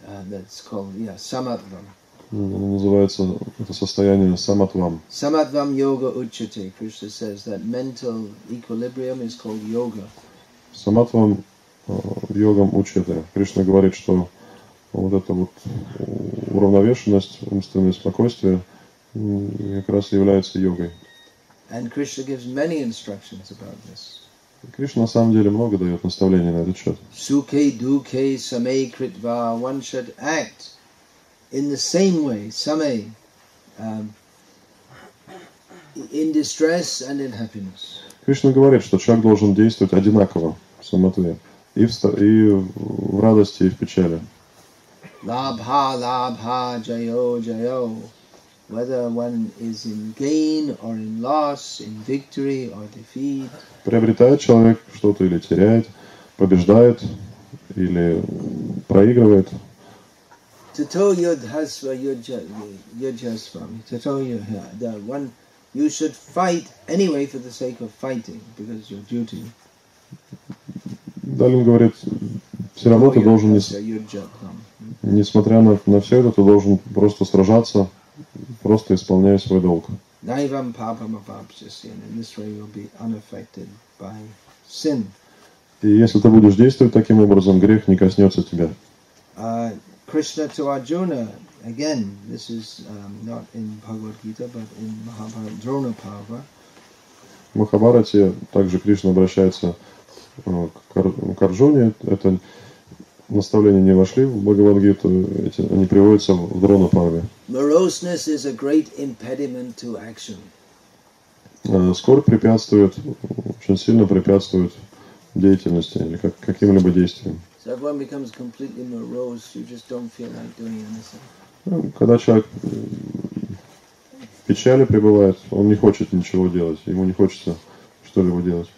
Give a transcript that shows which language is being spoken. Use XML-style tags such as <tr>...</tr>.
<en>That's called, yeah, samatvam.</en> <ru>Оно называется это состояние саматвам.</ru> <sa>Samatvam yoga uchate.</sa> <en>Krishna says that mental equilibrium is called yoga.</en> <sa>Samatvam йогам учате.</sa> <ru>Кришна говорит, что вот эта вот уравновешенность, умственное спокойствие как раз является йогой.</ru> <en>And Krishna gives many instructions about this.</en> <ru>Кришна на самом деле много дает наставлений на этот счет.</ru> <sa>Sukhe, dukhe, same, kritva.</sa> <en>One should act in the same way, same, in distress and in happiness.</en> <ru>Кришна говорит, что человек должен действовать одинаково, самотве, и в радости, и в печали.</ru> <sa>Labha, labha, jayo, jayo.</sa> <en>Whether one is in gain or in loss, in victory or defeat.</en> <ru>Приобретает человек что-то или теряет, побеждает или проигрывает.</ru> <sa>Tato yudhasva yudhasva. Tato yudhasva.</sa> <en>One, you should fight anyway for the sake of fighting, because your duty.</en> <ru>Далее он говорит, все равно ты должен, несмотря на все это, ты должен просто сражаться, просто исполняя свой долг.</ru> <sa>Naivam papam apapsyasi.</sa> <en>In this way you'll be unaffected by sin.</en> <ru>И если ты будешь действовать таким образом, грех не коснется тебя.</ru> <en>Krishna to Arjuna. Again, this is not in Bhagavad Gita, but in Mahabharata, Drona Parva.</en> <ru>В Махабарате также Кришна обращается к Арджуне. Это наставления не вошли в Бхагавад-гиту, они приводятся в Дрона-парве.</ru> <en>Moroseness is a great impediment to action.</en> <ru>Скорбь препятствует, очень сильно препятствует деятельности или каким-либо действиям.</ru> <en>So if one becomes completely morose, you just don't feel like doing anything.</en> <ru>Когда человек в печали пребывает, он не хочет ничего делать, ему не хочется что-либо делать.</ru>